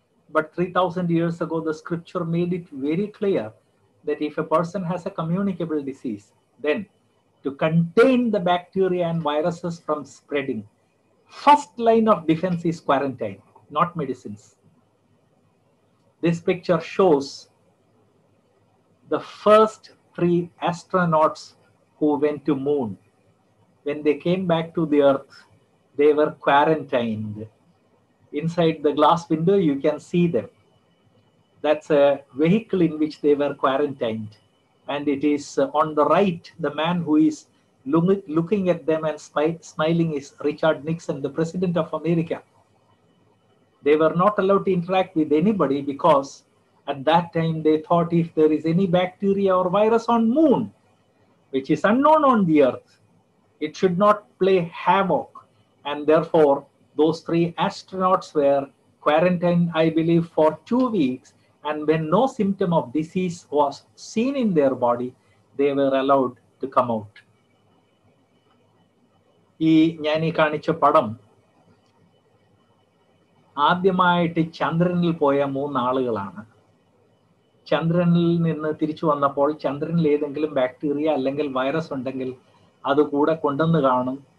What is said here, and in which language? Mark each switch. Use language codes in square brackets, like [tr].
[en] But 3,000 years ago the scripture made it very clear that if a person has a communicable disease then to contain the bacteria and viruses from spreading first line of defence is quarantine, not medicines. This picture shows the first 3 astronauts who went to moon. When they came back to the earth, they were quarantined. Inside the glass window, you can see them. That's a vehicle in which they were quarantined. And it is on the right, the man who is looking at them and smiling is Richard Nixon, the president of America. They were not allowed to interact with anybody because at that time they thought if there is any bacteria or virus on moon, which is unknown on the earth, it should not play havoc. And therefore, those 3 astronauts were quarantined, I believe, for 2 weeks. And when no symptom of disease was seen in their body, they were allowed to come out. [ml] ഈ ഞാൻ ഈ കാണിച്ച പടം ആദ്യമായിട്ട് ചന്ദ്രനിൽ പോയ 3 ആളുകളാണ്. ചന്ദ്രനിൽ നിന്ന് തിരിച്ചു വന്നപ്പോൾ ചന്ദ്രനിൽ ഏതെങ്കിലും ബാക്ടീരിയ അല്ലെങ്കിൽ വൈറസ് ഉണ്ടെങ്കിൽ അത് കൂടെ കൊണ്ടുവന്ന് കാണും.